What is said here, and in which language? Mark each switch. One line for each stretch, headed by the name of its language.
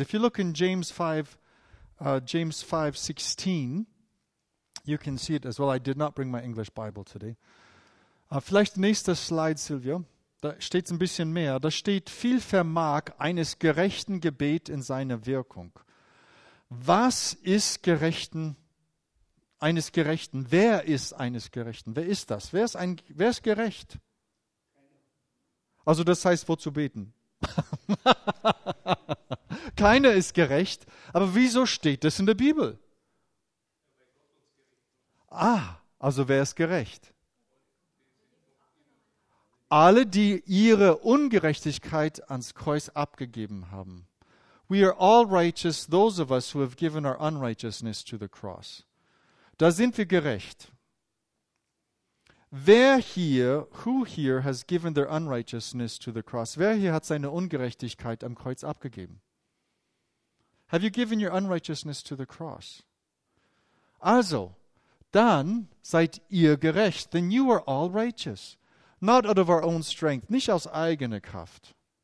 English: If you look in James 5, 16, you can see it as well. I did not bring my English Bible today.
German: Vielleicht nächster Slide, Silvia. Da steht es ein bisschen mehr. Da steht, viel vermag eines gerechten Gebet in seiner Wirkung. Was ist eines Gerechten? Wer ist eines Gerechten? Wer ist das? Wer ist gerecht? Also das heißt, wozu beten? Keiner ist gerecht. Aber wieso steht das in der Bibel? Ah, also wer ist gerecht? Alle, die ihre Ungerechtigkeit ans Kreuz abgegeben haben.
English: We are all righteous, those of us who have given our unrighteousness to the cross.
German: Da sind wir gerecht.
English: Who here has given their unrighteousness to the cross?
German: Wer hier hat seine Ungerechtigkeit am Kreuz abgegeben?
English: Have you given your unrighteousness to the cross?
German: Also, dann seid ihr gerecht.
English: Then you are all righteous. Not out of our own strength,
German: nicht aus eigener Kraft.